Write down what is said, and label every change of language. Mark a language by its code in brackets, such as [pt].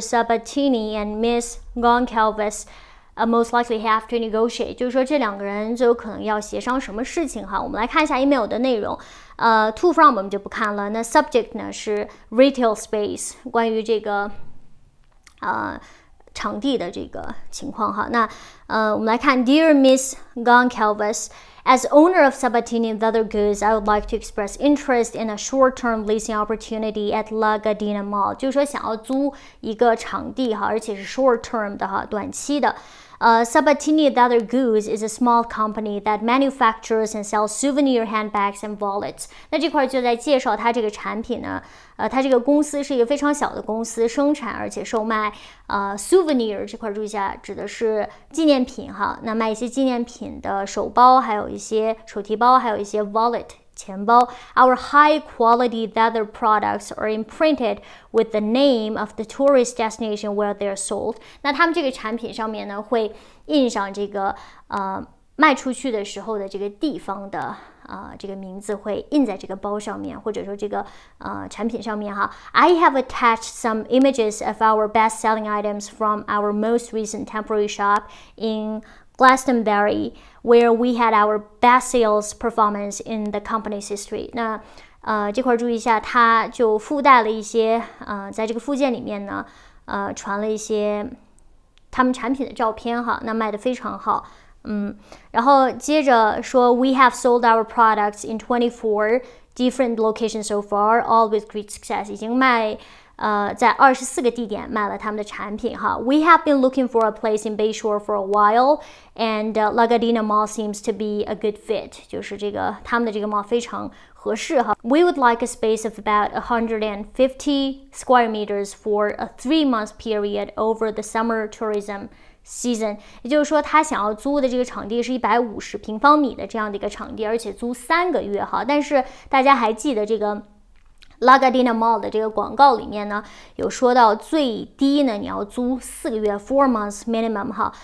[en] Sabatini and Miss Goncalves most likely have to negotiate？ [zh] 就是说这两个人就有可能要协商什么事情哈？我们来看一下 email 的内容。To from 我们就不看了。那 subject 呢是 retail space， 关于这个场地的这个情况哈。那我们来看 [en] Dear Miss Goncalves, As owner of Sabatini Leather Goods, I would like to express interest in a short-term leasing opportunity at La Gardena Mall. [zh] 就是说想要租一个场地哈，而且是 short-term 的哈，短期的。 [en] Sabatini Leather Goods is a small company that manufactures and sells souvenir handbags and wallets. [zh] 那这块就在介绍它这个产品呢。它这个公司是一个非常小的公司，生产而且售卖souvenir 这块注意一下，指的是纪念品哈。那卖一些纪念品的手包，还有一些手提包，还有一些 wallet 钱包。 [en] Our high quality leather products are imprinted with the name of the tourist destination where they are sold. [zh] 那他们这个产品上面呢，会印上这个卖出去的时候的这个地方的。这个名字会印在这个包上面，或者说这个产品上面哈。 [en] I have attached some images of our best-selling items from our most recent temporary shop in Glastonbury, where we had our best sales performance in the company's history. [zh] 那这块注意一下，它就附带了一些在这个附件里面呢，传了一些他们产品的照片哈，那卖得非常好。然后接着说 [en] ，We have sold our products in 24 different locations so far, all with great success. [zh] 已经卖，在24个地点卖了他们的产品哈。 [en] We have been looking for a place in Bayshore for a while, and La Gardena Mall seems to be a good fit. [zh] 就是这个他们的这个 mall 非常合适哈。 [en] We would like a space of about 150 square meters for a 3-month period over the summer tourism. [zh] Season， 也就是说，他想要租的这个场地是150平方米的这样的一个场地，而且租三个月哈。但是大家还记得这个 La Gardena Mall 的这个广告里面呢，有说到最低呢你要租四个月 ， [en] four months minimum [zh] 哈。